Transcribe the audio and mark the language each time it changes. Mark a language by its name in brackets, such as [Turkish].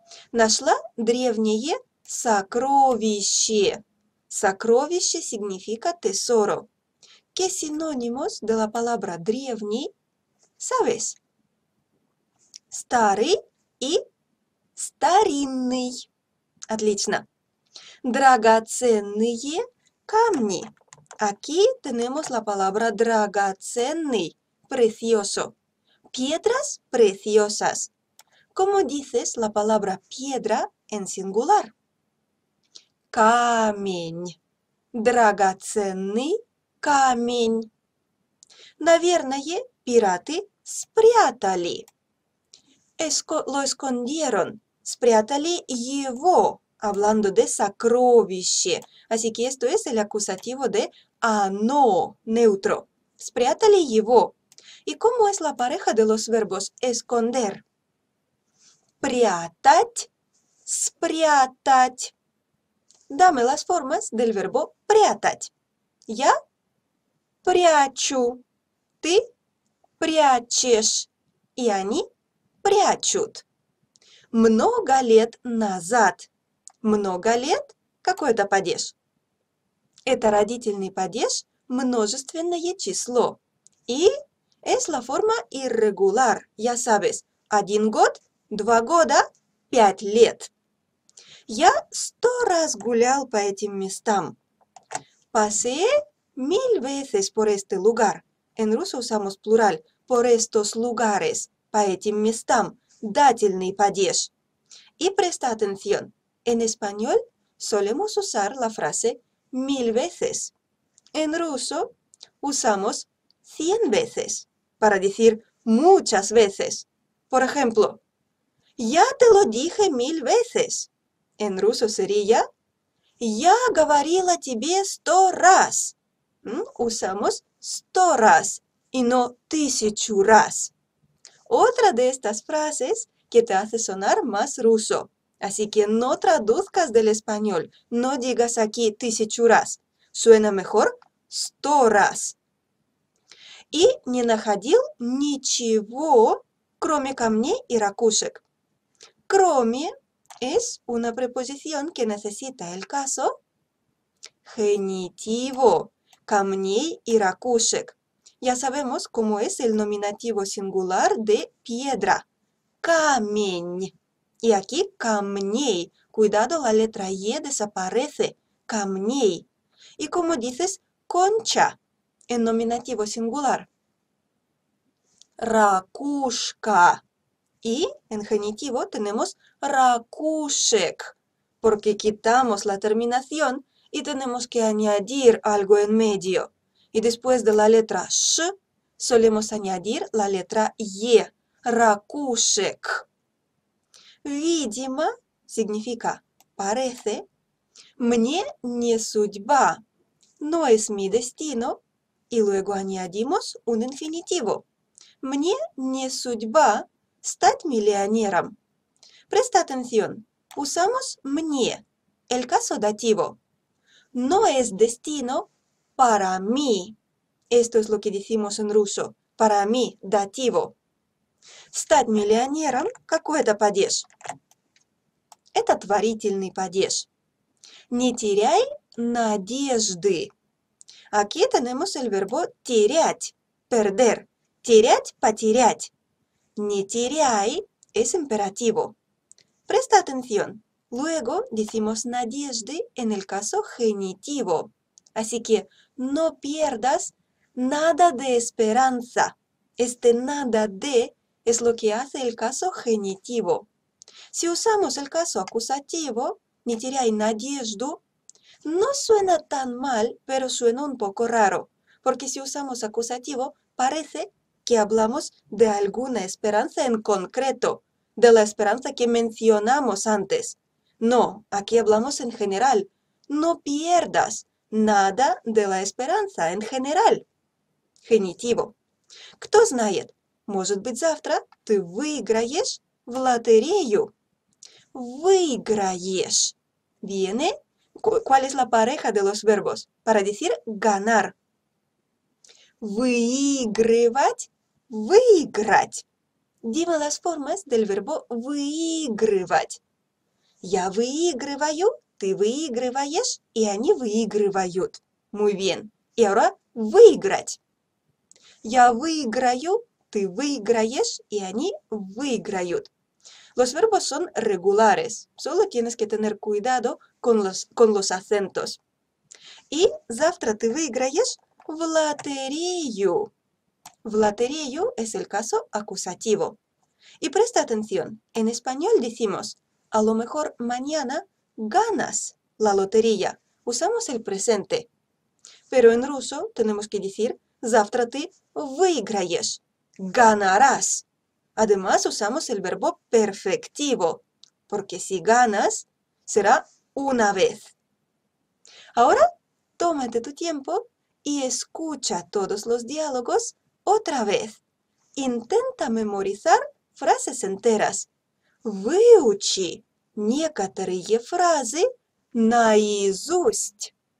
[Russian] Нашла древние сокровища. Сокровище [Spanish] significa tesoro. ¿Qué sinónimos de la palabra древний? ¿Sabes? [Russian] Старый и старинный. Отлично. Драгоценные камни. [Spanish] Aquí tenemos la palabra драгоценный. Precioso. Piedras preciosas. ¿Cómo dices la palabra piedra en singular? [Russian] Камень. Драгоценный камень. Наверное, пираты спрятали. [Spanish] Lo escondieron. [Russian] Спрятали его. [Spanish] Hablando de сокровище. Así que esto es el acusativo de оно. Neutro. [Russian] Спрятали его. [Spanish] ¿Y cómo es la pareja de los verbos esconder? [Russian] Прятать. Спрятать. [Spanish] Dame las formas del verbo прятать. [Russian] Я прячу. Ты прячешь. И они прячут. Много лет назад. Много лет? Какой это падеж? Это родительный падеж, множественное число. [Spanish] И es la forma irregular. Ya sabes, [Russian] один год, два года, пять лет. Я 100 раз гулял по этим местам. [Spanish] Pasé 1000 veces por este lugar. En ruso usamos plural. Por estos lugares. [Russian] По этим местам. Дательный падеж. И [Spanish] presta atención. En español solemos usar la frase 1000 veces. En ruso usamos 100 veces para decir muchas veces. Por ejemplo, ya te lo dije 1000 veces. En ruso sería ya [Russian] говорила тебе 100 раз. [Spanish] Usamos 100 раз y no 1000 раз. Otra de estas frases que te hace sonar más ruso. Así que no traduzcas del español, no digas aquí 1000 раз. Suena mejor 100 раз. [Russian] Y не находил ничего, кроме камней и ракушек. [Spanish] Кроме es una preposición que necesita el caso genitivo, [Russian] камней и ракушек. [Spanish] Ya sabemos cómo es el nominativo singular de piedra. Камень. Y aquí камней. Cuidado, la letra Е desaparece. Камней. ¿Y cómo dices concha en nominativo singular? [Russian] Ракушка. [Spanish] Y en genitivo tenemos ракушек. Porque quitamos la terminación y tenemos que añadir algo en medio. Y después de la letra Ш solemos añadir la letra Е. [Russian] Ракушек. [Spanish] Видимо, significa parece, [Russian] мне не судьба, [Spanish] no es mi destino, y luego añadimos un infinitivo. [Russian] Мне не судьба стать миллионером. [Spanish] Presta atención, usamos мне, el caso dativo. No es destino para mí. Esto es lo que decimos en ruso, para mí, dativo. [Russian] Стать миллионером – какой это падеж? Это творительный падеж. Не теряй надежды. [Spanish] Aquí tenemos el verbo терять, perder. [Russian] Терять – потерять. Не теряй [Spanish] – es imperativo. Presta atención. Luego decimos надежды en el caso genitivo. Así que no pierdas nada de esperanza. Este nada de es lo que hace el caso genitivo. Si usamos el caso acusativo, [Russian] не теряй надежду, [Spanish] No suena tan mal, pero suena un poco raro, porque si usamos acusativo, parece que hablamos de alguna esperanza en concreto, de la esperanza que mencionamos antes. No, aquí hablamos en general. No pierdas nada de la esperanza en general. Genitivo. [Russian] Кто знает, может быть, завтра ты выиграешь в лотерею. Выиграешь. [Spanish] Viene. ¿Cuál es la pareja de los verbos? Para decir ganar. Выигрывать. [Russian] Выиграть. [Spanish] Dime las formas del verbo выигрывать. [Russian] Я выигрываю, ты выигрываешь, и они выигрывают. [Spanish] Muy bien. Y ahora выиграть. [Russian] Я выиграю, ты выиграешь, и они выиграют. [Spanish] Los verbos son regulares. Solo tienes que tener cuidado con los acentos. [Russian] Y завтра ты выиграешь в лотерею. [Spanish] В лотерею es el caso acusativo. Y presta atención. En español decimos, a lo mejor mañana ganas la lotería. Usamos el presente. Pero en ruso tenemos que decir, [Russian] завтра ты выиграешь. [Spanish] Ganarás. Además, usamos el verbo perfectivo, porque si ganas, será una vez. Ahora, tómate tu tiempo y escucha todos los diálogos otra vez. Intenta memorizar frases enteras. [Russian] Выучи некоторые фразы наизусть.